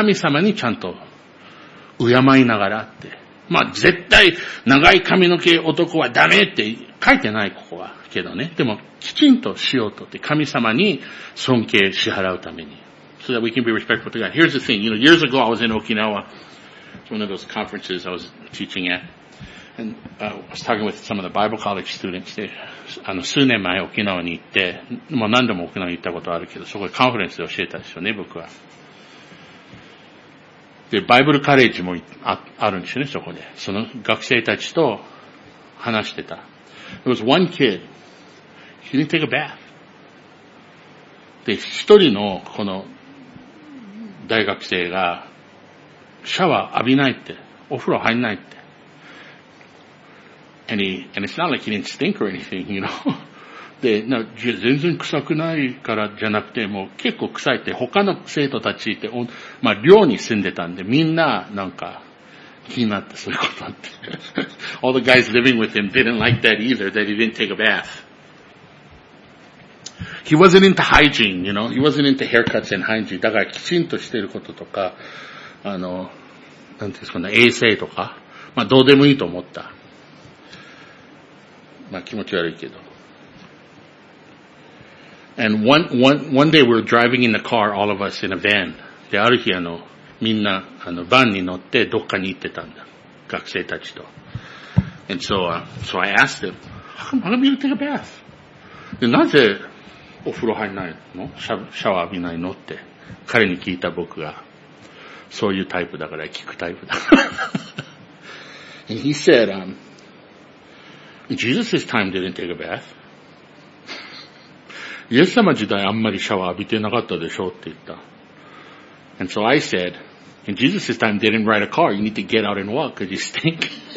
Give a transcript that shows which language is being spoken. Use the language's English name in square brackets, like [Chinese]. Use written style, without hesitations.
[Japanese] 神様にちゃんと敬いながらって。まあ絶対長い髪の毛男はダメって書いてないここはけどね。でもきちんとしようとって神様に尊敬支払うために。 [English] So that we can be respectful to God. Here's the thing. Years ago I was in Okinawa. It's one of those conferences I was teaching at. And I was talking with some of the Bible college students there. [Japanese] 数年前沖縄に行って、もう何度も沖縄に行ったことあるけど、そこでカンファレンスで教えたでしょうね、僕は。で、バイブルカレッジも あるんですよね、そこで。その学生たちと話してた。 [English] There was one kid. He didn't take a bath. [Japanese] で、一人のこの大学生がシャワー浴びないって、お風呂入んないって。 [English] And it's not like he didn't stink or anything, you know. [Japanese] で、な、全然臭くないからじゃなくて、もう結構臭いって、他の生徒たちって、まあ寮に住んでたんで、みんななんか気になってそういうことあって。 [English] All the guys living with him didn't like that either, that he didn't take a bath. He wasn't into hygiene, you know. He wasn't into haircuts and hygiene. [Japanese] だからきちんとしていることとか、あの、なんていうんですかね、衛生とか、まあどうでもいいと思った。まあ気持ち悪いけど。 [English] And one day we were driving in the car, all of us in a van. [Japanese] で、ある日あの、みんな、あの、バンに乗ってどっかに行ってたんだ。学生たちと。 [English] And so I asked him, how come you take a bath? [Japanese] で、なぜお風呂入んないの?シャワー浴びないのって。彼に聞いた僕が、そういうタイプだから聞くタイプだ。 [English] And he said, Jesus' time didn't take a bath. [Japanese] イエス様時代あんまりシャワー浴びてなかったでしょうって言った。 [English] And so I said, in Jesus' time, they didn't ride a car. You need to get out and walk because you stink.